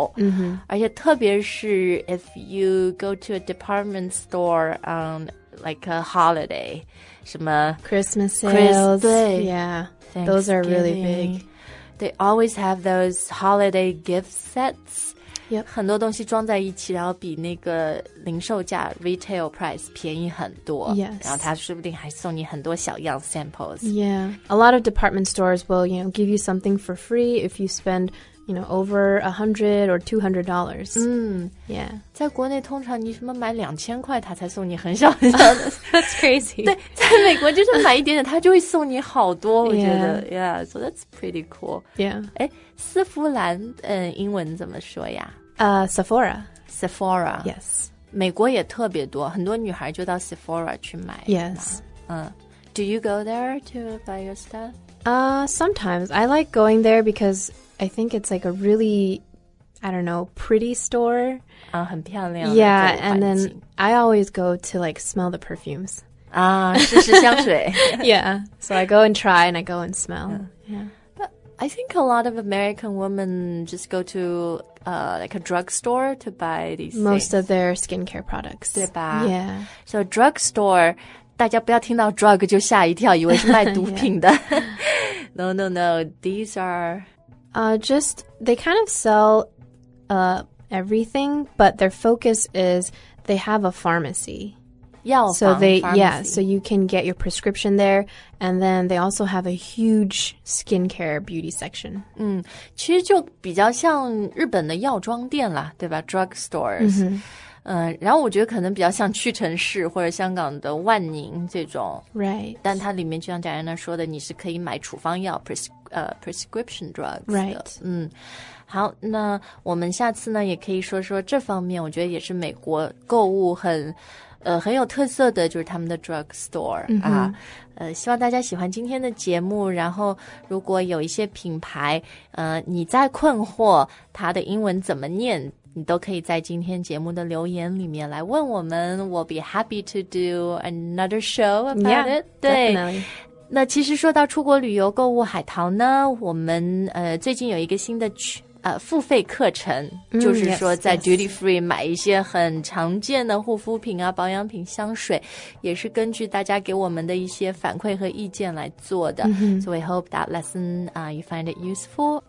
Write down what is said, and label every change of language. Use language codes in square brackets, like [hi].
[zh] mm-hmm. 而且特别是 [en] if you go to a department store on like a holiday, [zh] 什么 [en] Christmas sales, [zh] 对 [en] yeah, those are really big. They always have those holiday gift sets. Yep. [zh] 很多东西装在一起然后比那个零售价 [en] retail price [zh] 便宜很多。 [en] Yes. [zh] 然后他说不定还送你很多小样 samples. [en] Yeah. A lot of department stores will, you know, give you something for free if you spend, you know, over $100 or $200. 嗯 ,yeah. [zh] 在国内通常你什么买2000块他才送你很小很小的。 [en] That's crazy. [zh] 对在美国就是买一点点他就会送你好多、 [en] yeah. [zh] 我觉得。 [en] Yeah, so that's pretty cool. Yeah. [zh] 诶丝芙兰英文怎么说呀 [en] Sephora. Sephora. Yes. [zh] 美国也特别多很多女孩就到 Sephora 去买。 [en] Yes. Do you go there to buy your stuff? Sometimes. I like going there because... I think it's like a really, I don't know, pretty store. [zh] 啊，很漂亮。 [en] Yeah, and then I always go to like smell the perfumes. [zh] 啊，试试香水。 [en] Yeah, so I go and try and I go and smell. Yeah. I think a lot of American women just go to like a drugstore to buy these Most things. of their skincare products. [zh] 对吧 [en] Yeah. So a drugstore, [zh] 大家不要听到 drug 就吓一跳，以为是卖毒品的。 [en] yeah. No, no, no. These are... Just, they kind of sell, everything, but their focus is they have a pharmacy. Yeah, so they, yeah, so you can get your prescription there, and then they also have a huge skincare beauty section. [zh] 嗯，其实就比较像日本的药妆店啦，对吧？Drug stores. 嗯，然后我觉得可能比较像屈臣氏或者香港的万宁这种。 [en] Right. [zh] 但它里面就像 Diana 说的，你是可以买处方药 [en] prescription drugs. Right. [zh] 嗯，好，那我们下次呢也可以说说这方面，我觉得也是美国购物很，很有特色的，就是他们的 drug store、 mm-hmm. 啊。希望大家喜欢今天的节目，然后如果有一些品牌，你在困惑它的英文怎么念。你都可以在今天节目的留言里面来问我们。 [en] We'll be happy to do another show about yeah, it. Yeah, definitely. [zh] 那其实说到出国旅游、购物、海淘呢，我们最近有一个新的付费课程、就是说在 duty free 买一些很常见的护肤品啊、保养品、香水，也是根据大家给我们的一些反馈和意见来做的、 [en] So we hope that lesson、you find it useful.